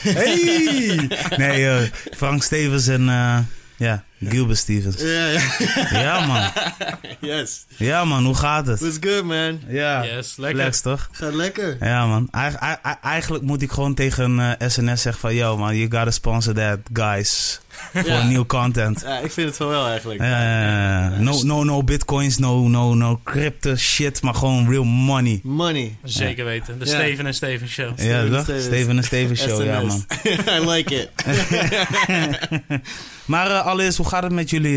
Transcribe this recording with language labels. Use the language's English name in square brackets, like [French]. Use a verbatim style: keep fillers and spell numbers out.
[Dutch] Hey! Nee, uh, Frank Stevens en uh, ja, Gilbert Stevens. Ja, ja. Ja, man. [English] Yes. [Dutch] Ja, man, hoe gaat het? [English] It's good, man. [Dutch] Ja, yes, lekker. Flex, toch? Gaat lekker. Ja, man. Eigen, e- e- eigenlijk moet ik gewoon tegen uh, S N S zeggen van... [English] Yo, man, you gotta sponsor that, guys. [Dutch] Voor ja. nieuw content. Ja, ik vind het wel wel eigenlijk. [English] Uh, no, no, no bitcoins, no, no, no crypto shit, [Dutch] maar gewoon [English] real money. Money. [Dutch] Zeker weten. De ja. Steven en Steven Show. Ja, toch? Steven en Steven Show, ja, man. [English] I like it. [Dutch] Maar uh, allereerst, hoe gaat het met jullie?